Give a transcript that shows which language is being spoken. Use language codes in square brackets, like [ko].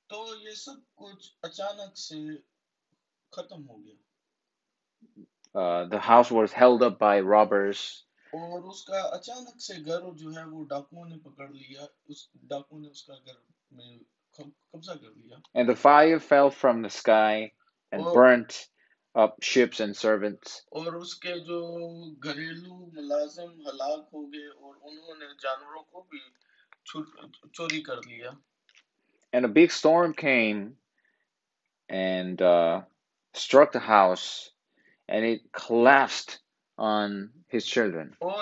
[hi] ये सब कुछ अचानक से खत्म हो गया [en] The house was held up by robbers. [hi] और उसका अचानक से घर जो है वो डाकुओं ने पकड़ लिया, उस डाकुओं ने उसका घर में कब्जा कर लिया। [en] And the fire fell from the sky and burnt up ships and servants. [hi] और उसके जो घरेलू मुलाजिम हलाक हो गए और उन्होंने जानवरों को भी चोरी कर लिया। [en] And a big storm came and struck the house and it collapsed on his children.